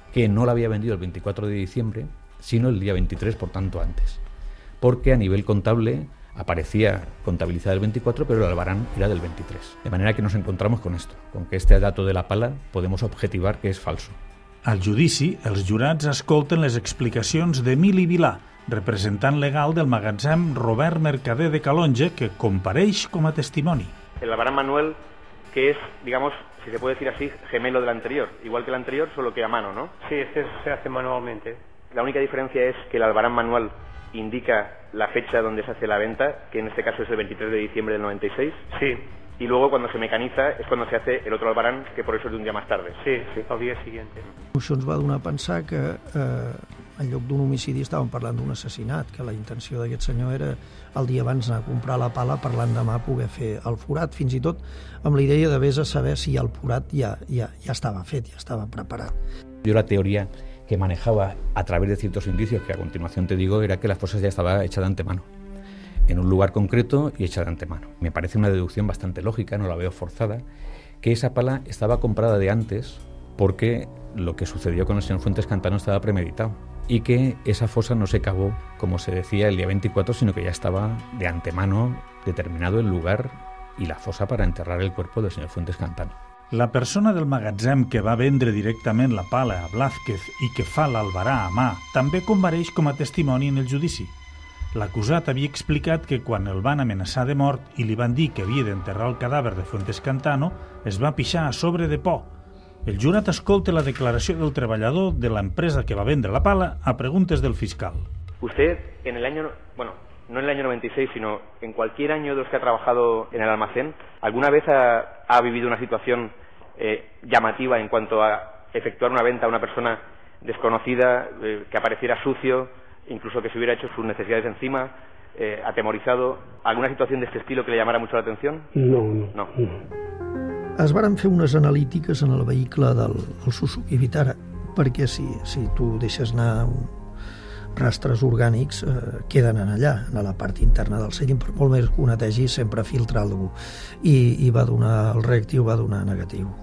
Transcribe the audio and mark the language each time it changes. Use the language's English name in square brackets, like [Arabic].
[Spanish] Que no l'havia vendido el 24 de diciembre, sino el día 23, por tanto, antes. Porque a nivel contable aparecía contabilizada el 24, pero el albarán era del 23. De manera que nos encontramos con esto, con que este dato de la pala podemos objetivar que es falso. [Catalan] Al judici, els jurats escolten les explicacions d'Emili Vilà, representant legal del magatzem Robert Mercader de Calonge, que compareix com a testimoni. [Spanish] El albarán manual, que és, digamos, si se puede decir así, gemelo de l'anterior, igual que l'anterior, solo que a mano, ¿no? Sí, este se hace manualmente. La única diferencia es que el albarán manual indica la fecha donde se hace la venta, que en este caso es el 23 de diciembre del 96. Sí. Y luego cuando se mecaniza es cuando se hace el otro albarán, que por eso es de un día más tarde. Sí, sí, al día siguiente. [Catalan] Això ens va donar a pensar que en lloc d'un homicidi estàvem parlant d'un assassinat, que la intenció d'aquest senyor era el dia abans anar a comprar la pala per l'endemà poder fer el forat, fins i tot amb la idea de vés a saber si el forat ja estava fet, ja estava preparat. [Spanish] Jo la teoria que manejaba a través de ciertos indicios, que a continuación te digo, era que las cosas ya estaban hechas de antemano, en un lugar concreto y hechas de antemano. Me parece una deducción bastante lógica, no la veo forzada, que esa pala estaba comprada de antes porque lo que sucedió con el señor Fuentes Cantano estaba premeditado y que esa fosa no se cavó, como se decía, el día 24, sino que ya estaba de antemano determinado el lugar y la fosa para enterrar el cuerpo del señor Fuentes Cantano. [Catalan] La persona del magatzem que va vendre directament la pala a Blázquez i que fa l'albarà a mà també compareix com a testimoni en el judici. L'acusat havia explicat que quan el van amenaçar de mort i li van dir que havia d'enterrar el cadàver de Fuentes Cantano, es va pixar a sobre de por. El jurat escolta la declaració del treballador de l'empresa que va vendre la pala a preguntes del fiscal. [Spanish] Usted, en el año... Bueno, no en el año 96, sino en cualquier año de los que ha trabajado en el almacén, ¿alguna vez ha vivido una situación llamativa en cuanto a efectuar una venta a una persona desconocida, que apareciera sucio, incluso que se hubiera hecho sus necesidades encima, atemorizado? ¿Alguna situación de este estilo que le llamara mucho la atención? No. [Catalan] Es varen fer unes analítiques en el vehicle del Suzuki Vitara, perquè si tu deixes anar rastres orgànics queden en allà, en la part interna del seient, per molt més que ho netegi, sempre filtra algú. I va donar el reactiu, va donar negatiu.